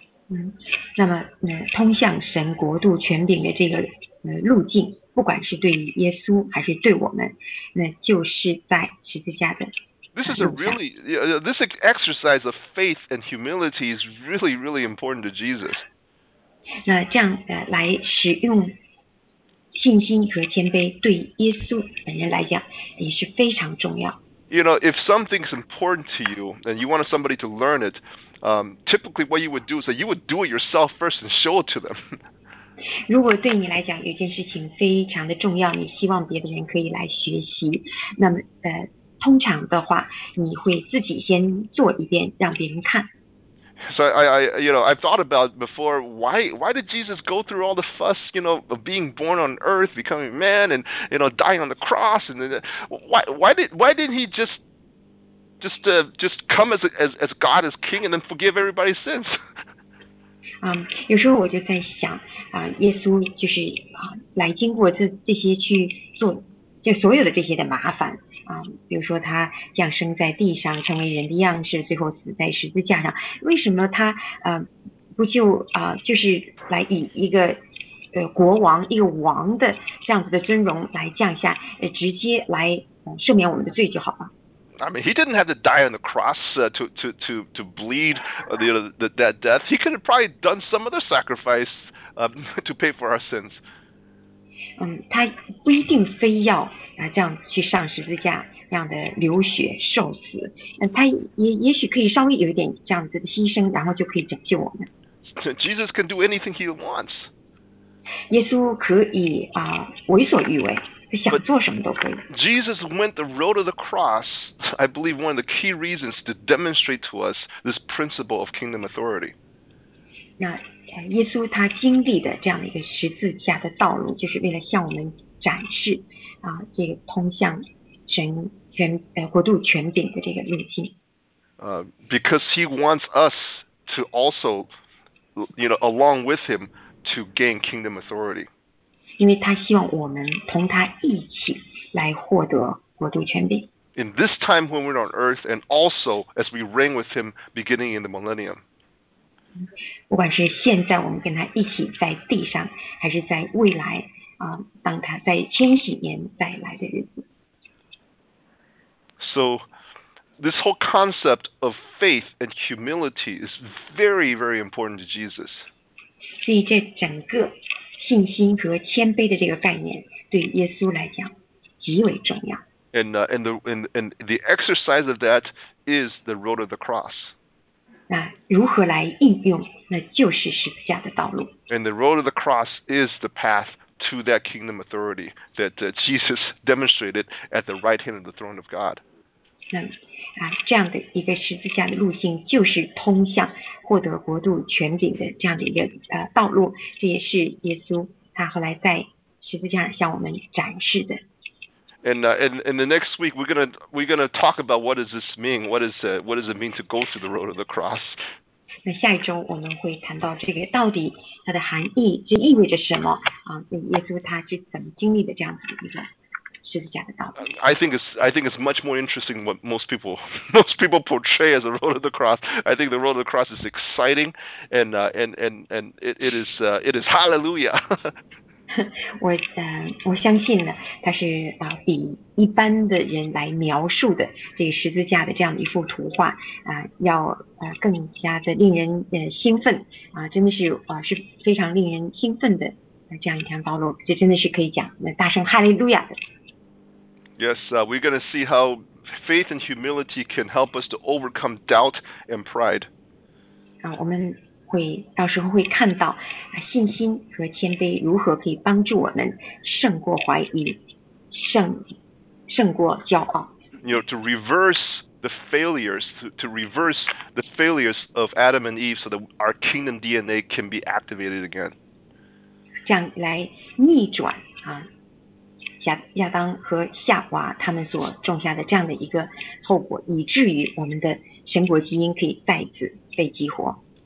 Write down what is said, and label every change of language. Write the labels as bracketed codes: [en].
[zh] 嗯，那么通向神国度权柄的这个路径，不管是对于耶稣还是对我们，那就是在十字架的。 [en] This is a really this exercise of faith and humility is really really important to Jesus. [zh] 那这样来使用。信心和谦卑对耶稣本人来讲也是非常重要。 [en] You know, if something's important to you and you want somebody to learn it, typically what you would do is that you would do it yourself first and show it to them. [zh] 如果对你来讲有件事情非常的重要，你希望别的人可以来学习，那么通常的话，你会自己先做一遍让别人看。 [en] So I've thought about before, why did Jesus go through all the fuss, of being born on earth, becoming man, and dying on the cross, and then, why didn't he just come as God, as King, and then forgive everybody's sins? [zh] 有时候我就在想，耶稣就是来经过这些去做，就所有的这些的麻烦。比如说他降生在地上成为人的样式，最后死在十字架上，为什么他不就是来以一个国王一个王的这样子的尊荣来降下，直接来赦免我们的罪就好了。 [en] I mean, he didn't have to die on the cross to bleed that death. He could have probably done some other sacrifice to pay for our sins. [zh] 他不一定非要这样去上十字架，这样的流血受死，他也许可以稍微有一点这样子的牺牲，然后就可以拯救我们。 [en] Jesus can do anything he wants. [zh] 耶稣可以为所欲为，想做什么都可以。 [en] But Jesus went the road of the cross, I believe one of the key reasons to demonstrate to us this principle of kingdom authority. [zh] 那耶稣他经历的这样的一个十字架的道路，就是为了向我们展示这个通向神权国度权柄的这个路径。 [en] Because he wants us to also, along with him to gain kingdom authority. [zh] 因为他希望我们同他一起来获得国度权柄。 [en] In this time when we're on earth, and also as we reign with him beginning in the millennium. [zh] 不管是现在我们跟他一起在地上，还是在未来。当他在千禧年再来的日子。 [en] So, this whole concept of faith and humility is very, very important to Jesus. [zh] 所以这整个信心和谦卑的这个概念对耶稣来讲极为重要。 [en] And the exercise of that is the road of the cross. [zh] 那如何来应用？那就是十字架的道路。 [en] And the road of the cross is the path. To that kingdom authority that Jesus demonstrated at the right hand of the throne of God. [zh] 这样的一个十字架的路径就是通向获得国度权柄的这样的一个道路，这也是耶稣他后来在十字架向我们展示的。 [en] And the next week we're gonna talk about what does this mean? What does it mean to go through the road of the cross? [zh] 那下一周我们会谈到这个到底它的含义，这意味着什么？耶稣他是怎么经历的这样子的一个十字架的道路。 [en] I think it's much more interesting what most people portray as the road of the cross. I think the road of the cross is exciting, and it is hallelujah. [zh] 我相信呢，它是比一般的人来描述的这个十字架的这样一幅图画要更加的令人兴奋真的是是非常令人兴奋的。这样一条道路，这真的是可以讲那大声哈利路亚的。 [en] Yes, we're going to see how faith and humility can help us to overcome doubt and pride. [zh] 我们会到时候会看到信心和谦卑如何可以帮助我们胜过怀疑，胜过骄傲。 [en] To reverse the failures, to reverse the failures of Adam and Eve, so that our kingdom DNA can be activated again. [zh] 这样来逆转亚当和夏娃他们所种下的这样的一个后果，以至于我们的神国基因可以再次被激活。